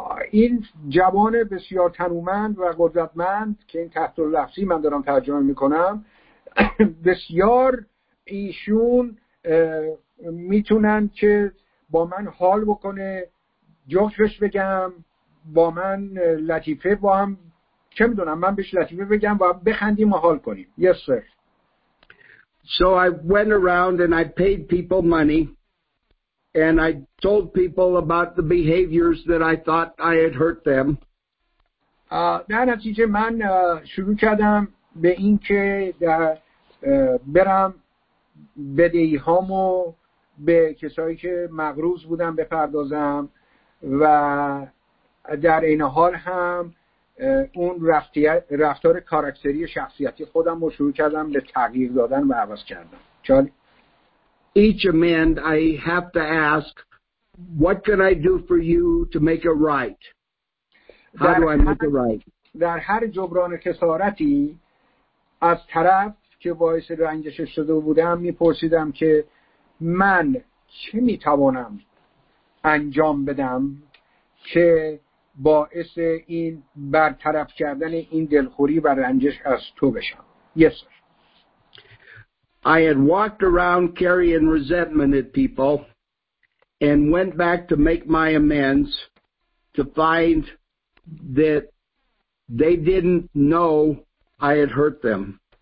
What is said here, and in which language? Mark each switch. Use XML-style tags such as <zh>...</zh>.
<fa>این جوان بسیار تنومند و قدرتمند که این تحت لفظی من دارم ترجمه میکنم، بسیار ایشون میتونن که با من حال بکنه، جوشش بگم، با من لطیفه، با هم چه میدونم، من بهش لطیفه بگم و بخندیم و حال کنیم.</fa> <en>Yes, sir. So I went around and I paid people money and I told people about the behaviors that I thought I had hurt them.</en> <fa>در نتیجه من شروع کردم به این که در برم بدهی هامو به کسایی که مغروز بودم بپردازم و در این حال هم اون رفتار کاراکتری شخصیتی خودم رو شروع کردم به تغییر دادن و عوض کردم. چالی.</fa> <en>Each amend I have to ask, what can I do for you to make it right? How do I make it right?</en> <fa>در هر جبران خسارتی از طرف که باعث رنجش شده بودم میپرسیدم که من چه میتوانم انجام بدم که باعث این برطرف کردن این دلخوری و رنجش از تو بشم.</fa> <en>Yes, sir. I had walked around carrying resentment at people and went back to make my amends to find that they didn't know I had hurt them.</en>